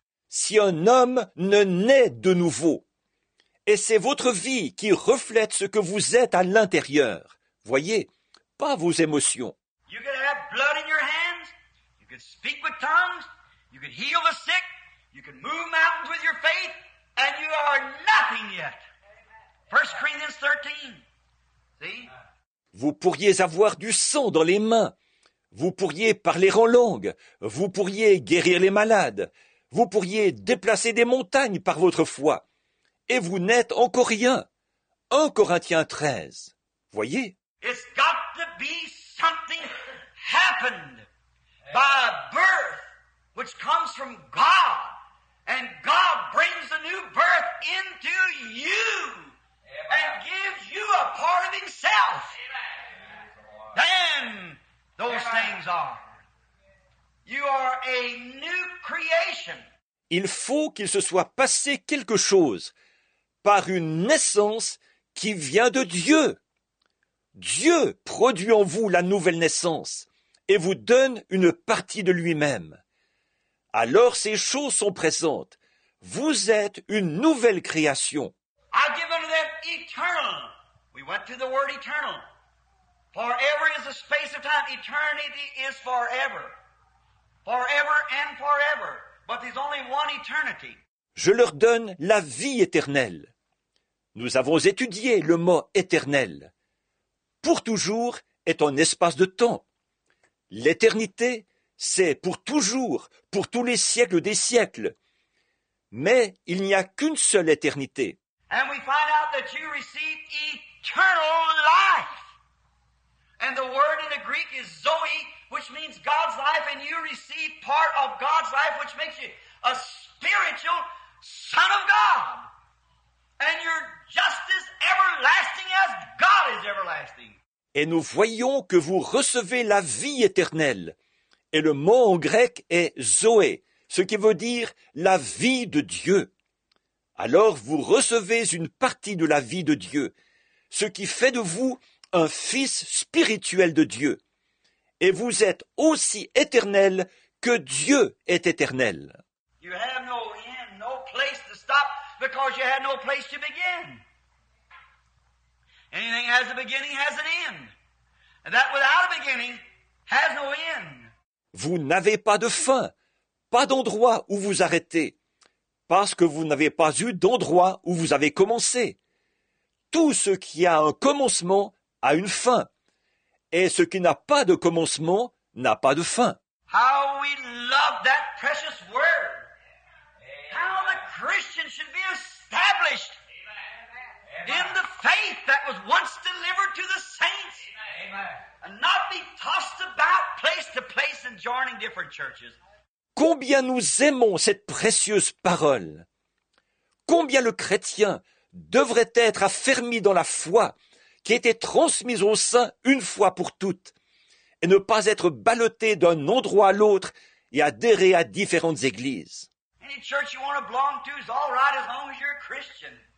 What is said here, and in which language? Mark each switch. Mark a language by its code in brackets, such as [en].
[fr] Si un homme ne naît de nouveau, et c'est votre vie qui reflète ce que vous êtes à l'intérieur, voyez, pas vos émotions. [en] You could have blood in your hands, you could speak with tongues, you could heal the sick, you could move mountains with your faith, and you are nothing yet. 1 Corinthians 13. See? [fr] Vous pourriez avoir du sang dans les mains. Vous pourriez parler en langue, vous pourriez guérir les malades, vous pourriez déplacer des montagnes par votre foi, et vous n'êtes encore rien. 1 Corinthiens 13, voyez. [en] It's got to be something happened by a birth which comes from God, and God brings a new birth into you and gives you a part of himself. Then those things are. You are a new creation. [fr] Il faut qu'il se soit passé quelque chose par une naissance qui vient de Dieu. Dieu produit en vous la nouvelle naissance et vous donne une partie de lui-même. Alors ces choses sont présentes. Vous êtes une nouvelle création. [en] I give unto them eternal. We went to the word eternal. Forever is a space of time. Eternity is forever. Forever and forever. But there's only one eternity. [fr] Je leur donne la vie éternelle. Nous avons étudié le mot éternel. Pour toujours est un espace de temps. L'éternité, c'est pour toujours, pour tous les siècles des siècles. Mais il n'y a qu'une seule éternité. [en] And we find out that you receive eternal life. And the word in the Greek is Zoe, which means God's life, and you receive part of God's life, which makes you a spiritual son of God. And you're just as everlasting as God is everlasting. [fr] Et nous voyons que vous recevez la vie éternelle. Et le mot en grec est Zoé, ce qui veut dire la vie de Dieu. Alors vous recevez une partie de la vie de Dieu, ce qui fait de vous un fils spirituel de Dieu. Et vous êtes aussi éternel que Dieu est éternel. [en] You have no end, no place to stop because you had no place to begin. Anything has a beginning has an end. And that without a beginning has no end. [fr] Vous n'avez pas de fin, pas d'endroit où vous arrêtez, parce que vous n'avez pas eu d'endroit où vous avez commencé. Tout ce qui a un commencement a une fin. Et ce qui n'a pas de commencement n'a pas de fin. [en] How we love that precious word. How the Christian should be established in the faith that was once delivered to the saints. And not be tossed about place to place and joining different churches. [fr] Combien nous aimons cette précieuse parole. Combien le chrétien devrait être affermi dans la foi qui a été transmise aux saints une fois pour toutes et ne pas être ballotté d'un endroit à l'autre et adhérer à différentes églises. [en] Any church you want to belong to is all right as long as you're a Christian.